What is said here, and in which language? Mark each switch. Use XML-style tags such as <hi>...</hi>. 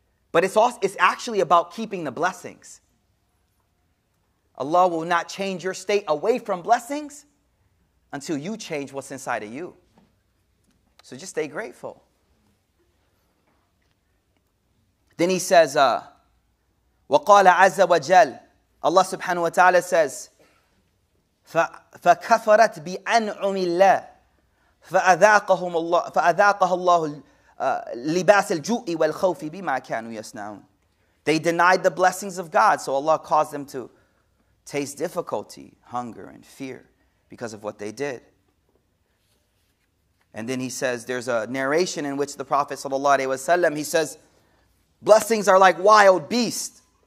<en>But it's actually about keeping the blessings. Allah will not change your state away from blessings until you change what's inside of you. So just stay grateful. Then He says,</en> <ar>وَقَالَ عَزَّ وَجَلَّ.</ar> <en>Allah subhanahu wa ta'ala says,</en> <ar>فَكَفَرَتْ بِأَنْعُمِ اللَّهِ فَأَذَاقَهَ اللَّهُ لِبَاسِ الْجُوءِ وَالْخَوْفِ بِمَا كَانُوا يَسْنَعُونَ.</ar> <en>They denied the blessings of God, so Allah caused them to taste difficulty, hunger, and fear because of what they did. And then He says, there's a narration in which the Prophet sallallahu alaihi wasallam, he says, blessings are like wild beasts.</en>